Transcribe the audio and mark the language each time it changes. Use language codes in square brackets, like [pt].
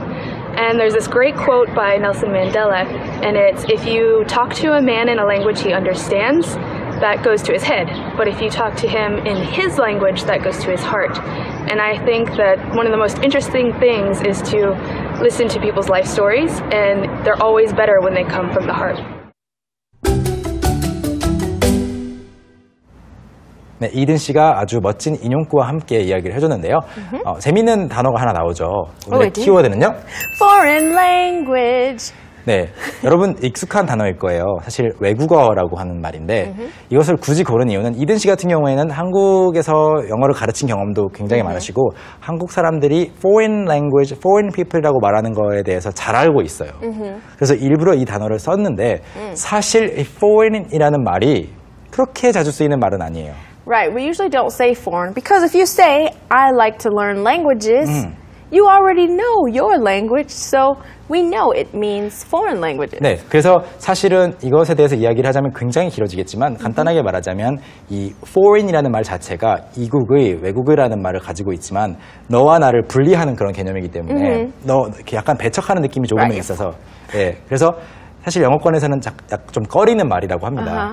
[en] And there's this great quote by Nelson Mandela, and it's, if you talk to a man in a language he understands, that goes to his head. But if you talk to him in his language, that goes to his heart. And I think that one of the most interesting things is to listen to people's life stories, and they're always better when they come from the heart. [ko] 네, 이든 씨가 아주 멋진 인용구와 함께 이야기를 해줬는데요. Mm-hmm. 재미있는 단어가 하나 나오죠. 오늘의 키워드는요? [en] Foreign language. [ko] 네, 여러분 익숙한 단어일 거예요. 사실 외국어라고 하는 말인데 mm-hmm. 이것을 굳이 고른 이유는 이든 씨 같은 경우에는 한국에서 영어를 가르친 경험도 굉장히 mm-hmm. 많으시고 한국 사람들이 [en] foreign language, foreign people [ko] 이라고 말하는 거에 대해서 잘 알고 있어요. Mm-hmm. 그래서 일부러 이 단어를 썼는데 사실 foreign이라는 말이 그렇게 자주 쓰이는 말은 아니에요. [en] Right, we usually don't say foreign because if you say I like to learn languages, you already know your language, so we know it means foreign languages. [ko] 네, 그래서 사실은 이것에 대해서 이야기를 하자면 굉장히 길어지겠지만 간단하게 말하자면 이 foreign이라는 말 자체가 이국의 외국이라는 말을 가지고 있지만 너와 나를 분리하는 그런 개념이기 때문에 너 약간 배척하는 느낌이 조금 [en] right. [ko] 있어서 네, 그래서 사실 영어권에서는 좀 꺼리는 말이라고 합니다.